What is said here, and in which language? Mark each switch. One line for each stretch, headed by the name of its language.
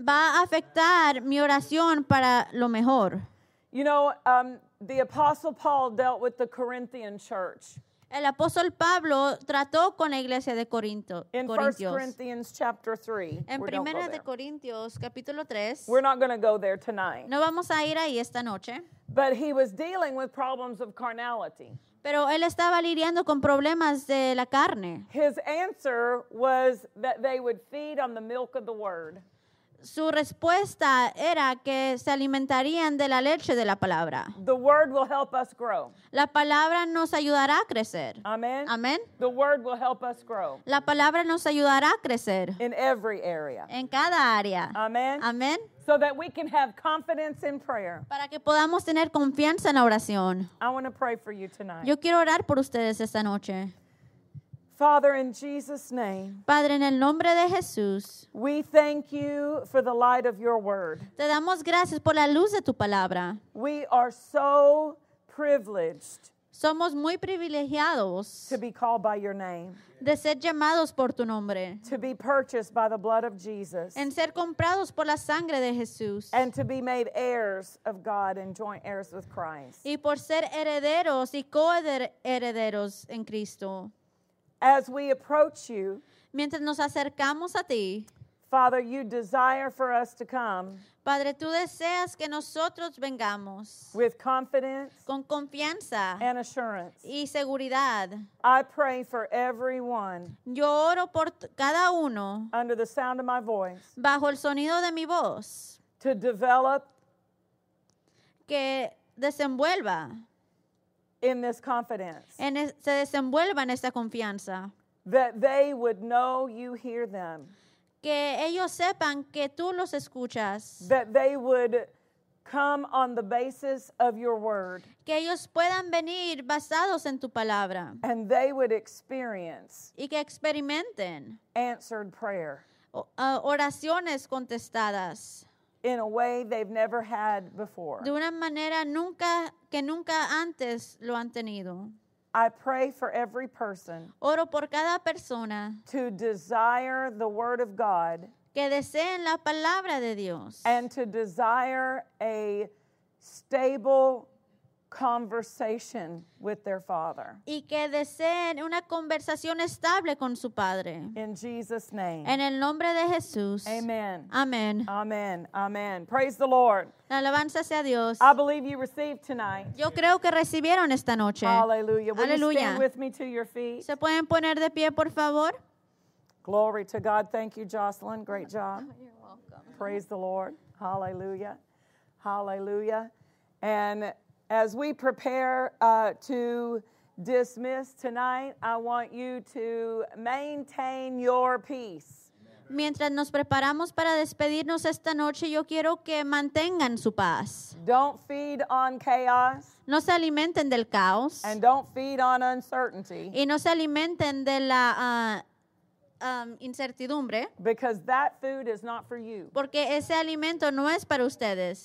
Spanish: Va a afectar mi oración para lo mejor.
English: You know, the Apostle Paul dealt with the Corinthian church.
Spanish: El apóstol Pablo trató con la iglesia de Corinto.
English: In
Spanish: Corintios.
English: 1 Corinthians chapter 3.
Spanish: En Primera de Corintios capítulo 3.
English: We're not going to go there tonight.
Spanish: No vamos a ir ahí esta noche.
English: But he was dealing with problems of carnality.
Spanish: Pero él estaba lidiando con problemas de la carne.
English: His answer was that they would feed on the milk of the word.
Spanish: Su respuesta era que se alimentarían de la leche de la palabra.
English: The word will help us grow.
Spanish: La palabra nos ayudará a crecer.
English: Amen.
Spanish: Amen.
English: The word will help us grow.
Spanish: La palabra nos ayudará a crecer.
English: In every area.
Spanish: En cada área.
English: Amen.
Spanish: Amen.
English: So that we can have confidence in prayer.
Spanish: Para que podamos tener confianza en la oración.
English: I want to pray for you tonight.
Spanish: Yo quiero orar por ustedes esta noche.
English: Father, in Jesus' name,
Spanish: Padre, en el nombre de Jesús,
English: we thank you for the light of your word.
Spanish: Te damos gracias por la luz de tu palabra.
English: We are so privileged.
Spanish: Somos muy privilegiados
English: to be called by your name.
Spanish: De ser llamados por tu nombre.
English: To be purchased by the blood of Jesus.
Spanish: En ser comprados por la sangre de Jesús.
English: And to be made heirs of God and joint heirs with Christ.
Spanish: Y por ser herederos y coherederos en Cristo.
English: As we approach you,
Spanish: mientras nos acercamos a ti,
English: Father, you desire for us to come.
Spanish: Padre, tú deseas que nosotros vengamos
English: with confidence,
Spanish: con confianza,
English: and assurance,
Spanish: y seguridad.
English: I pray for everyone.
Spanish: Yo oro por cada uno
English: under the sound of my voice,
Spanish: bajo el sonido de mi voz,
English: to develop,
Spanish: que desenvuelva.
English: In this confidence.
Spanish: En se desenvuelva en esta confianza.
English: That they would know you hear them.
Spanish: Que ellos sepan que tú los escuchas.
English: That they would come on the basis of your word.
Spanish: Que ellos puedan venir basados en tu palabra.
English: And they would experience.
Spanish: Y que experimenten.
English: Answered prayer.
Spanish: Oraciones contestadas.
English: In a way they've never had before.
Spanish: De una manera nunca que nunca antes lo han tenido.
English: I pray for every person.
Spanish: Oro por cada persona.
English: To desire the word of God.
Spanish: Que deseen la palabra de Dios.
English: And to desire a stable, conversation with their father.
Spanish: Y que deseen una conversación estable con su padre.
English: In Jesus' name.
Spanish: En el nombre de Jesús.
English: Amen.
Spanish: Amen.
English: Amen. Amen. Praise the Lord.
Spanish: Alabanza sea Dios.
English: I believe you received tonight.
Spanish: Yo creo que recibieron esta noche.
English: Hallelujah. Will Hallelujah. You stand with me to your feet?
Spanish: ¿Se pueden poner de pie, por favor?
English: Glory to God. Thank you, Jocelyn. Great job. You're welcome. Praise the Lord. Hallelujah. Hallelujah. And as we prepare to dismiss tonight, I want you to maintain your peace.
Spanish: Mientras nos preparamos para despedirnos esta noche, yo quiero que mantengan su paz.
English: Don't feed on chaos.
Spanish: No se alimenten del caos.
English: And don't feed on uncertainty.
Spanish: Y no se alimenten de la incertidumbre.
English: Because that food is not for you.
Spanish: Porque ese alimento no es para ustedes.